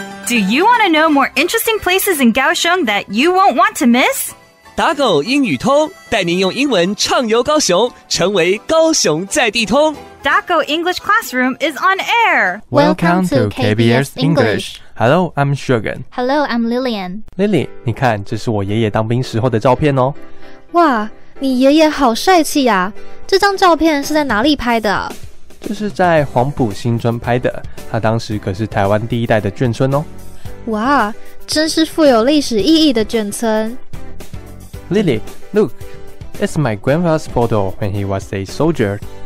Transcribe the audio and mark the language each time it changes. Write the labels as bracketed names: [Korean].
[English] Do you want to know more interesting places in Kaohsiung that you won't want to miss? [Chinese] 打狗英语通，带您用英文畅游高雄，成为高雄在地通。 [English] Daco English Classroom is on air. Welcome to KBS English. Hello, I'm Sugan. Hello, I'm Lillian. [Chinese] Lily, 你看，这是我爷爷当兵时候的照片哦。哇，你爷爷好帅气啊！这张照片是在哪里拍的？这是在黄埔新庄拍的，他当时可是台湾第一代的眷村哦。哇，真是富有历史意义的眷村。 [English] Lily, look, it's my grandpa's photo when he was a soldier.